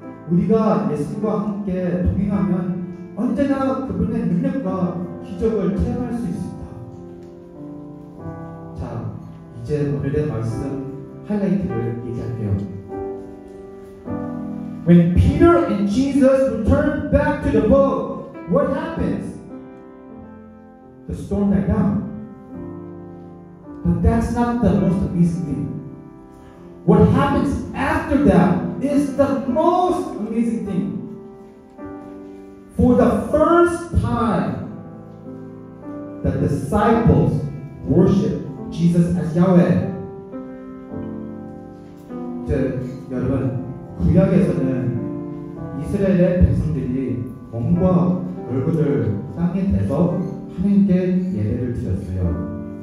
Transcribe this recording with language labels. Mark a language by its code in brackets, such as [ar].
[ko] 우리가 예수님과 함께 동행하면 언제나 그분의 능력과 기적을 체험할 수 있습니다. 자, 이제 오늘의 말씀 하이라이트를 얘기할게요. [en] When Peter and Jesus return back to the boat, what happens? The storm died down. But that's not the most amazing thing. What happens after that is the most amazing thing. For the first time, the disciples worship Jesus as Yahweh. [ko] 이제 여러분, 구약에서는 이스라엘의 백성들이 몸과 얼굴을 땅에 대서 하나님께 예배를 드렸어요.